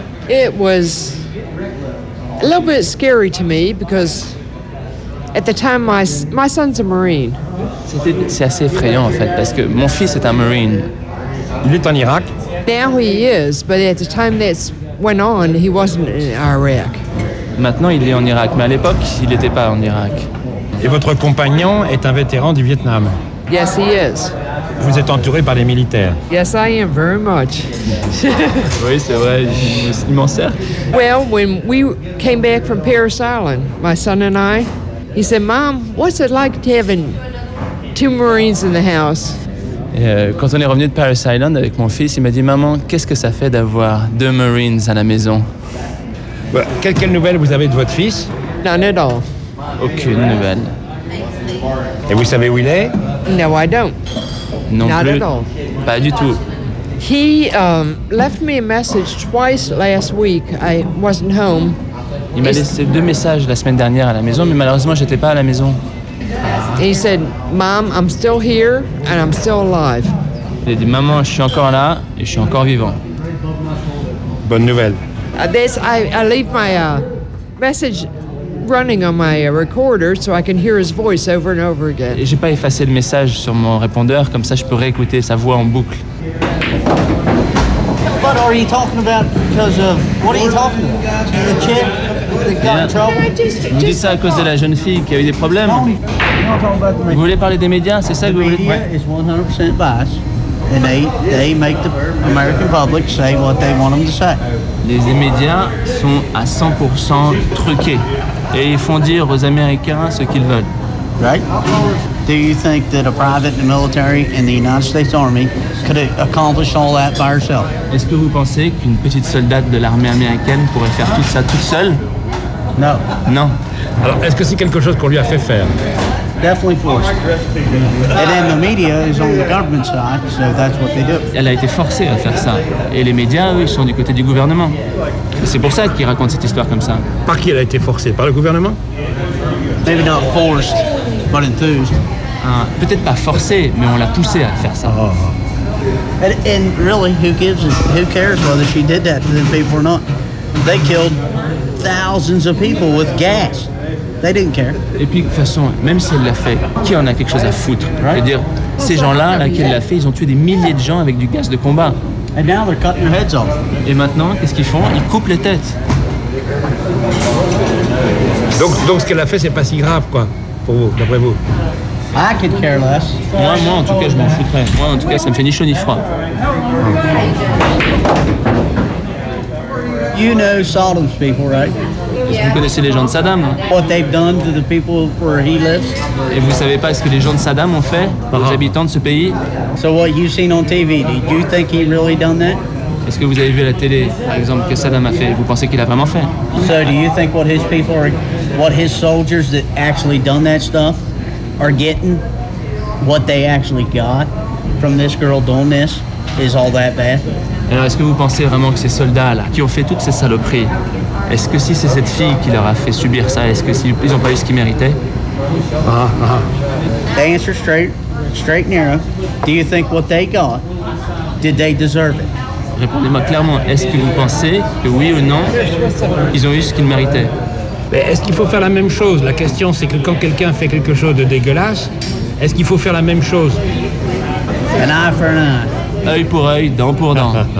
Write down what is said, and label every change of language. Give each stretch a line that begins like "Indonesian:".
English: It was a little bit scary to me because at the time my son's a marine.
French: C'est assez effrayant en fait parce que mon fils est un marine. Il est en Irak.
English: Now he is, but at the time that went on, he wasn't in Iraq.
French: Maintenant il est en Irak, mais à l'époque il n'était pas en Irak. Et votre compagnon est un vétéran du Vietnam.
English: Yes, he is.
French: Vous êtes entouré par les militaires.
English: Yes, I am very much.
French: Oui, c'est vrai, il m'en sert.
English: Well, when we came back from Paris Island, my son and I, he said, "Mom, what's it like to have two Marines in the house?"
French: Quand on est revenu de Paris Island avec mon fils, il m'a dit, "Maman, qu'est-ce que ça fait d'avoir deux Marines à la maison?" Bah, quelle nouvelle vous avez de votre fils?
English: None at all.
French: Aucune nouvelle. Et vous savez où il est?
English: No, I don't.
French: Non
English: Not
French: plus.
English: At all.
French: Pas du tout.
English: He left me a message twice last week. I wasn't home.
French: Il m'a laissé deux messages la semaine dernière à la maison, mais malheureusement, j'étais pas à la maison.
English: He said, "Mom, I'm still here and I'm still alive."
French: Il a dit, "Maman, je suis encore là et je suis encore vivant." Bonne nouvelle.
English: I leave my message running on my recorder so I can hear his voice over and over again.
French: J'ai pas effacé le message sur mon répondeur, comme ça je pourrais écouter sa voix en boucle.
English: What are you talking about? Because of what are you talking about? The chick that got in trouble.
French: Dis ça à cause de la jeune fille qui a eu des problèmes. Vous voulez parler des médias, c'est ça que vous voulez? Ouais.
English: It's 100% biased, and they make the American public say what they want them to say.
French: Les médias sont à 100% truqués. Et ils font dire aux Américains ce qu'ils veulent.
English: Right? Do you think that a private in the military in the United States Army could accomplish all that by herself?
French: Est-ce que vous pensez qu'une petite soldate de l'armée américaine pourrait faire tout ça toute seule?
English: No.
French: Non. Alors, est-ce que c'est quelque chose qu'on lui a fait faire?
English: Definitely forced. And then the media is on the government side, so that's what they do.
French: Elle a été forcée à faire ça. Et les médias, eux, ils sont du côté du gouvernement. Et c'est pour ça qu'ils racontent cette histoire comme ça. Par qui elle a été forcée? Par le gouvernement?
English: Maybe not forced, but enthused.
French: Peut-être pas forcée, mais on l'a poussée à faire ça. Oh.
English: And really, who cares whether she did that to the people or not? They killed thousands of people with gas. They didn't care.
French: Et puis, de toute façon, même si elle l'a fait, qui en a quelque chose à foutre?
English: Right?
French: Je veux dire, ces gens-là, là, qui l'a fait, ils ont tué des milliers de gens avec du gaz de combat.
English: And now they're cutting their heads off.
French: Et maintenant, qu'est-ce qu'ils font? Ils coupent les têtes. Donc ce qu'elle a fait, c'est pas si grave, quoi, pour vous, d'après vous?
English: I could care less.
French: Moi, en tout cas, je m'en foutrais. Moi, en tout cas, ça me fait ni chaud ni froid.
English: You know Sodom's people, right?
French: Est-ce que vous connaissez les gens de Saddam?
English: What they've done to the people where he lives?
French: Et vous savez pas ce que les gens de Saddam ont fait par les habitants de ce pays?
English: So what you've seen on TV, did you think he really done that?
French: Est-ce que vous avez vu à la télé, par exemple, que Saddam a fait? Vous pensez qu'il a vraiment fait?
English: So do you think what his people are, what his soldiers that actually done that stuff are getting, what they actually got from this girl doing this, is all that bad?
French: Alors est-ce que vous pensez vraiment que ces soldats-là qui ont fait toutes ces saloperies, est-ce que si c'est cette fille qui leur a fait subir ça, est-ce qu'ils n'ont pas eu ce qu'ils méritaient?
English: They answer straight and narrow. Do you think what they got, did they deserve it?
French: Répondez-moi clairement, est-ce que vous pensez que oui ou non, ils ont eu ce qu'ils méritaient? Mais est-ce qu'il faut faire la même chose? La question c'est que quand quelqu'un fait quelque chose de dégueulasse, est-ce qu'il faut faire la même chose?
English: An eye for an eye.
French: Œil pour œil, dent pour dent.